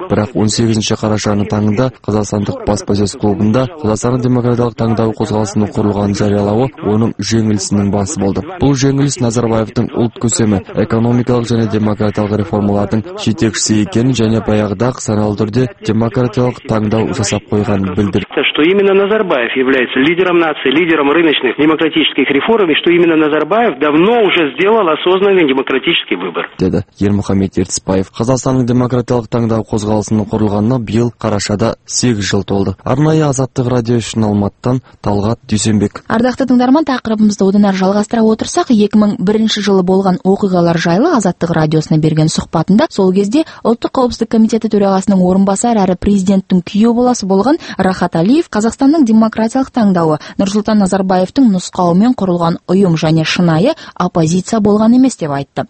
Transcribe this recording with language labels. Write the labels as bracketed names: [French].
[Kazakh] Бірақ 18 қарашаның таңында қазақстандық баспасөз клубында Қазақстан демократиялық таңдау қозғалысының құрылғанын жариялауы оның жеңілісінің басы болды. Бұл жеңіліс Назарбаев ұлт көсемі, экономикалық және демократиялық реформалардың жетекшісі екенін және баяғыда саналы түрде демократиялық таңдау жасап қойғанын білдірді. [Russian] Что именно Назарбаев является лидером нации, лидером рыночных демократических реформ, и что именно Назарбаев давно уже сделал осознанный демократический выбор. [Kazakh] Деді Ермұхамед Ертісбаев. Қазақстанның демократиялық таңдау қозғалысының құрылғанына биыл қарашада 8 жыл толды. Арнайы Азаттық радио үшін Алматыдан Талғат Дүйсенбек. Ардақты тыңдарман, тақырыбымызды одан әрі жалғастыра отырсақ, 2001 жылы болған оқиғалар жайлы Азаттық радиосына берген сұхбатында сол кезде ұлттық қауіпсіздік комитеті төрағасының орынбасары әрі президенттің күйеу баласы болған Рахат Алиев Қазақстанның демократиялық таңдауы Нұрсұлтан Назарбаевтың нұсқауымен құрылған ұйым және шынайы оппозиция болған емес деп айтты.